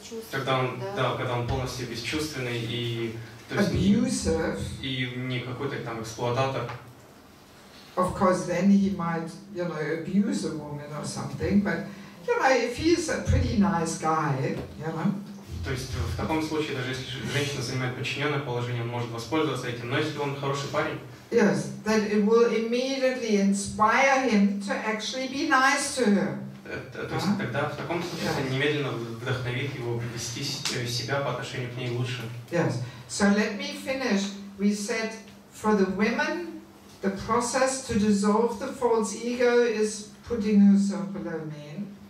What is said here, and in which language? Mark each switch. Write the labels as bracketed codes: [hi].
[ru] Когда он полностью бесчувственный и [en] abusive, [ru] и не какой-то там эксплуататор. [en] Of course, then he might, you know, abuse a woman or something. But you know, if he's a pretty nice guy, you know. [ru] То есть в таком случае, даже если женщина занимает подчиненное положение, он может воспользоваться этим. Но если он хороший парень, [en] yes, then it will immediately inspire him to actually be nice to her. [ru] То есть тогда в таком случае это немедленно вдохновит его вести себя по отношению к ней лучше. [en] Yes. So let me finish. We said for the women, the process to dissolve the false ego is putting herself below men.